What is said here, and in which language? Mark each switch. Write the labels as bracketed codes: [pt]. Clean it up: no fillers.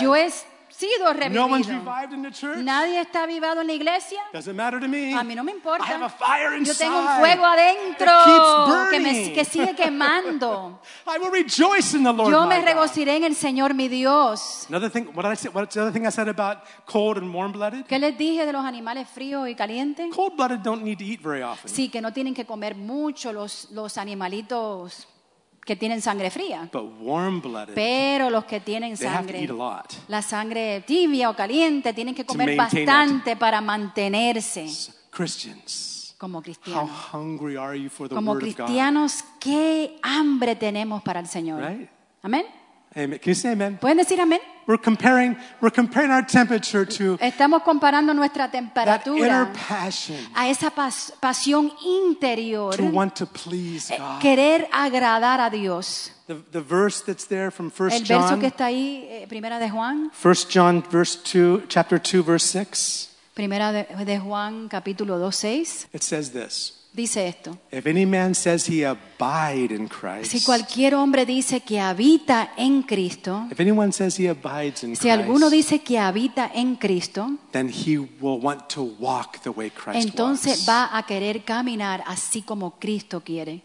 [es] Yo he sido revivido. [en] No one's revived in the church. [es] Nadie está avivado en la iglesia. [en] Doesn't matter to me. [es] A mí no me importa. [en] I have a fire inside. [es] Yo tengo un fuego adentro que sigue quemando. [en] I will rejoice in the Lord. [es] Yo me regocijaré en el Señor mi Dios. [en] Another thing, what did I say? What's the other thing I said about cold and warm-blooded? [es] ¿Qué les dije de los animales fríos y calientes? [en] Cold-blooded don't need to eat very often. [es] Sí, que no tienen que comer mucho los animalitos. Que tienen sangre fría. [en] But warm-blooded, [es] pero los que tienen sangre, [en] they have to eat a lot. [es] La sangre tibia o caliente, tienen que comer bastante [en] it. [es] Para mantenerse. [en] Christians, [es] como cristianos, [en] how hungry are you for the [es] como [en] word [es] cristianos, [en] of God? [es] ¿Qué hambre tenemos para el Señor? [en] Right? [es] Amén. [en] Amen. Can you say amen? [es] ¿Pueden decir amén? [en] We're comparing our temperature to [es] estamos comparando nuestra temperatura [en] that inner passion [es] a esa pasión interior [en] to want to please God. [es] Querer agradar a Dios. [en] The verse that's there from 1 John. [es] El verso que está ahí, primera de Juan. [en] 1 John verse 2, chapter 2, verse 6. [es] Primera de Juan, capítulo 2, 6. [en] It says this. [es] Dice esto. [en] If any man says he abide in Christ, [es] si cualquier hombre dice que habita en Cristo, [en] if anyone says he abides in [es] si [en] Christ, [es] alguno dice que habita en Cristo, [en] then he will want to walk the way Christ [es] entonces [en] walks. [es] Va a querer caminar así como Cristo quiere.